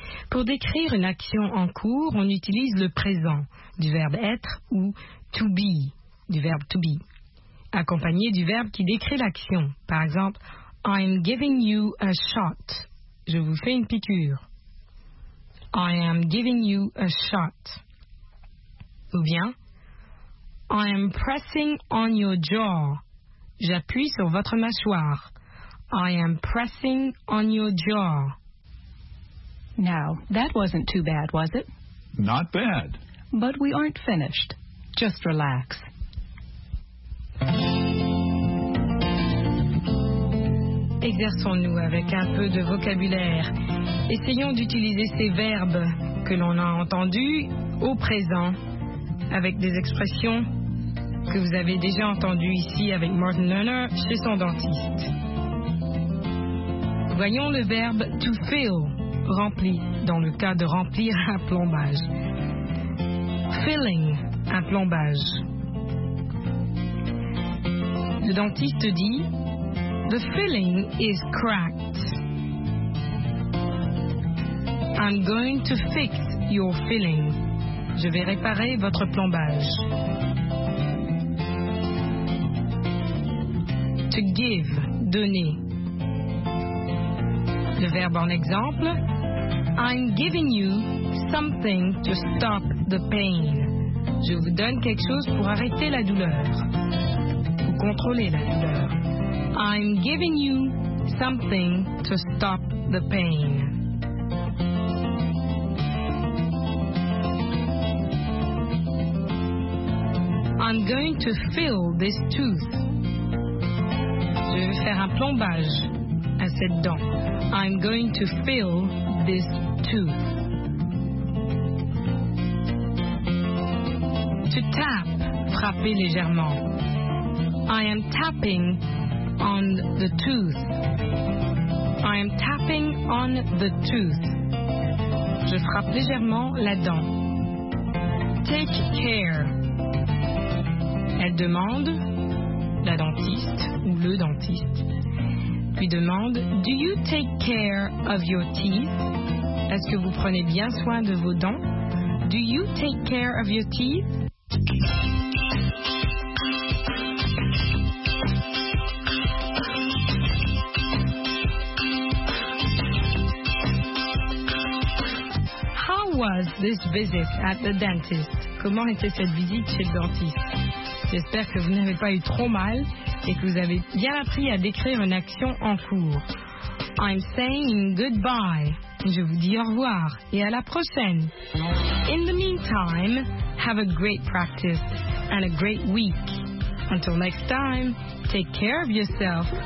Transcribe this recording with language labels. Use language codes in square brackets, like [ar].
[fr] Pour décrire une action en cours, on utilise le présent du verbe être ou to be, du verbe to be, accompagné du verbe qui décrit l'action. Par exemple, [en] I'm giving you a shot. [fr] Je vous fais une piqûre. [en] I am giving you a shot. Ou bien, I am pressing on your jaw. [fr] J'appuie sur votre mâchoire. [en] I am pressing on your jaw. Now, that wasn't too bad, was it? Not bad. But we aren't finished. Just relax. [fr] Exerçons-nous avec un peu de vocabulaire. Essayons d'utiliser ces verbes que l'on a entendus au présent avec des expressions que vous avez déjà entendues ici avec Martin Lerner chez son dentiste. Voyons le verbe to fill, rempli, dans le cas de remplir un plombage. Filling, un plombage. Le dentiste dit, [en] the filling is cracked. I'm going to fix your filling. [fr] Je vais réparer votre plombage. [en] To give, donner. [fr] Le verbe en exemple, [en] I'm giving you something to stop the pain. [fr] Je vous donne quelque chose pour arrêter la douleur. Pour contrôler la douleur. [en] I'm giving you something to stop the pain. I'm going to fill this tooth. [fr] Je vais faire un plombage à cette dent. [en] I'm going to fill this tooth. [fr] To tap, frapper légèrement. [en] I am tapping on the tooth. I am tapping on the tooth. [fr] Je frappe légèrement la dent. [en] Take care. [fr] Elle demande, la dentiste ou le dentiste, puis demande, [en] do you take care of your teeth? [fr] Est-ce que vous prenez bien soin de vos dents? [en] Do you take care of your teeth? How was this visit at the dentist? [fr] Comment était cette visite chez le dentiste? J'espère que vous n'avez pas eu trop mal et que vous avez bien appris à décrire une action en cours. [en] I'm saying goodbye. [fr] Je vous dis au revoir et à la prochaine. [en] In the meantime, have a great practice and a great week. Until next time, take care of yourself.